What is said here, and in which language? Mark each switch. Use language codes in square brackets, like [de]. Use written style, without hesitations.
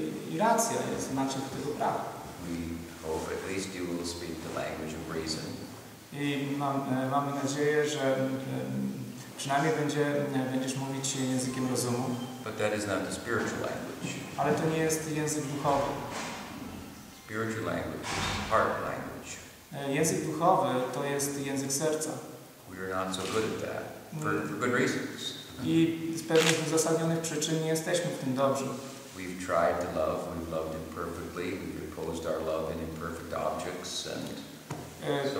[pl] I racja jest, znaczy tego prawa. [en] We hope at least you will speak the language of reason. [pl] I mamy nadzieję, że przynajmniej będziesz mówić językiem rozumu. [en] But that is not the spiritual language. [pl] Ale to nie jest język duchowy. [en] Spiritual language is heart language. [pl] Język duchowy to jest język serca. [en] We are not so good at that, for good reasons. [pl] I z pewnych uzasadnionych przyczyn nie jesteśmy w tym dobrzy. [en] We've tried to love, we've loved imperfectly, we've opposed our love in imperfect objects and so